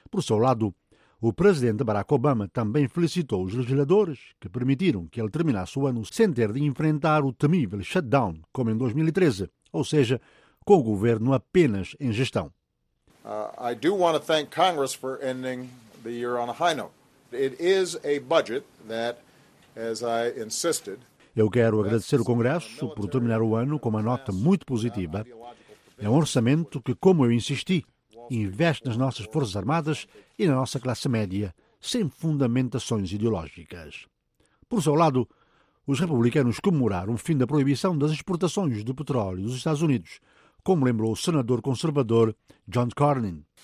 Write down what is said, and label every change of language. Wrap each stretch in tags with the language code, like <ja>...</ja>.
<pt>Por seu lado, o presidente Barack Obama também felicitou os legisladores que permitiram que ele terminasse o ano sem ter de enfrentar o temível shutdown, como em 2013, ou seja, com o governo apenas em gestão.</pt> <en>I do want to thank Congress for ending the year on a high note. It is a budget that, as I insisted.</en> <pt>Eu quero agradecer o Congresso por terminar o ano com uma nota muito positiva. É um orçamento que, como eu insisti, investe nas nossas Forças Armadas e na nossa classe média, sem fundamentações ideológicas. Por seu lado, os republicanos comemoraram o fim da proibição das exportações do petróleo dos Estados Unidos, como lembrou o senador conservador John Cornyn.</pt>